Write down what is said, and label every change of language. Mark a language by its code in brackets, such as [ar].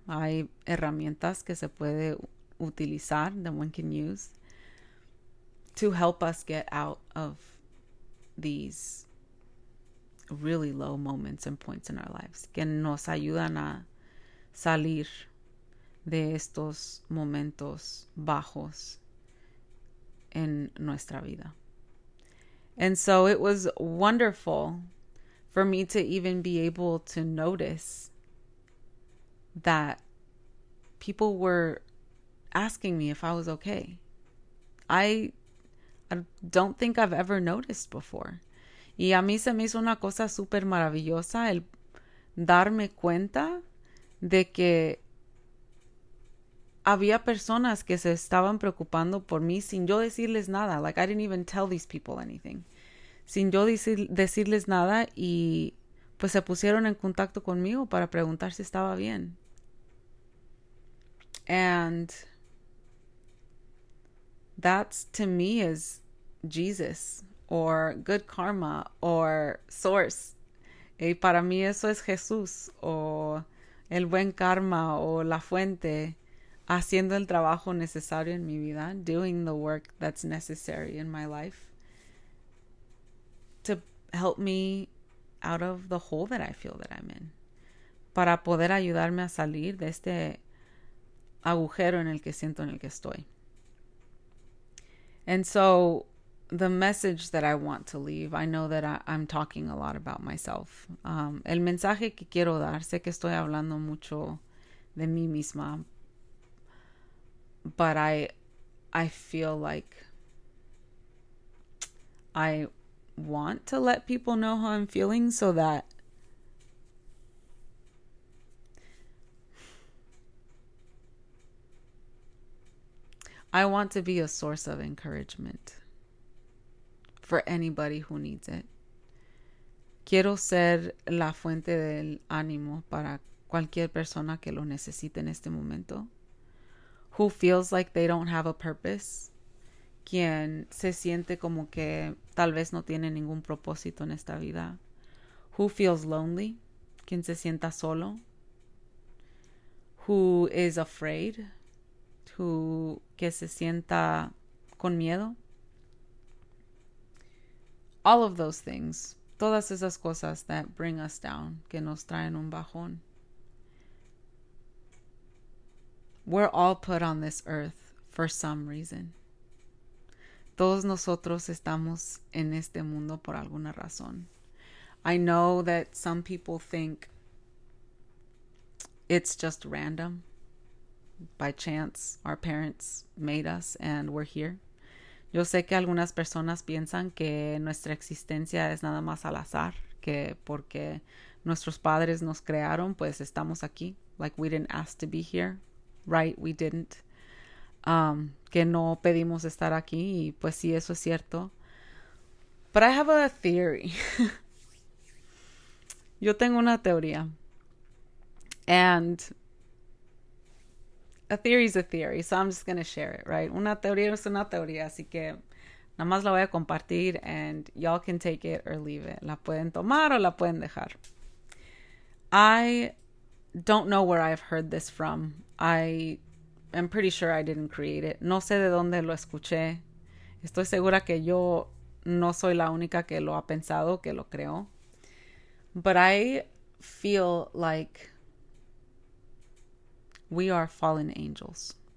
[es] Hay herramientas que se puede utilizar, [en] that one can use, to help us get out of these really low moments and points in our lives, [es] que nos ayudan a salir de estos momentos bajos en nuestra vida. [en] And so it was wonderful for me to even be able to notice that people were asking me if I was okay. I don't think I've ever noticed before. [es] Y a mí se me hizo una cosa súper maravillosa el darme cuenta de que había personas que se estaban preocupando por mí sin yo decirles nada. [en] Like, I didn't even tell these people anything. [es] Sin yo decirles nada, y pues se pusieron en contacto conmigo para preguntar si estaba bien. [en] And that, to me, is Jesus. Or good karma, or source. [es] Y para mí eso es Jesús, o el buen karma, o la fuente, haciendo el trabajo necesario en mi vida, [en] doing the work that's necessary in my life to help me out of the hole that I feel that I'm in. [es] Para poder ayudarme a salir de este agujero en el que siento en el que estoy. [en] And so the message that I want to leave, I know that I'm talking a lot about myself. [es] El mensaje que quiero dar, sé que estoy hablando mucho de mí misma, [en] but I feel like I want to let people know how I'm feeling so that I want to be a source of encouragement for anybody who needs it. [es] Quiero ser la fuente del ánimo para cualquier persona que lo necesite en este momento. [en] Who feels like they don't have a purpose. [es] Quien se siente como que tal vez no tiene ningún propósito en esta vida. [en] Who feels lonely? [es] ¿Quién se sienta solo? [en] Who is afraid? Who [es] que se sienta con miedo? [en] All of those things. [es] Todas esas cosas [en] that bring us down, [es] que nos traen un bajón. [en] We're all put on this earth for some reason. [es] Todos nosotros estamos en este mundo por alguna razón. [en] I know that some people think it's just random. By chance, our parents made us and we're here. [es] Yo sé que algunas personas piensan que nuestra existencia es nada más al azar, que porque nuestros padres nos crearon, pues estamos aquí. [en] Like we didn't ask to be here, right? We didn't. [es] Que no pedimos estar aquí, y pues sí, eso es cierto. [en] But I have a theory. [es] Yo tengo una teoría. [en] And a theory is a theory, so I'm just going to share it, right? [es] Una teoría es una teoría, así que nada más la voy a compartir [en] and y'all can take it or leave it. [es] La pueden tomar o la pueden dejar. [en] I don't know where I've heard this from. I am pretty sure I didn't create it. [es] No sé de dónde lo escuché. Estoy segura que yo no soy la única que lo ha pensado, que lo creó. [en] But I feel like we are fallen angels.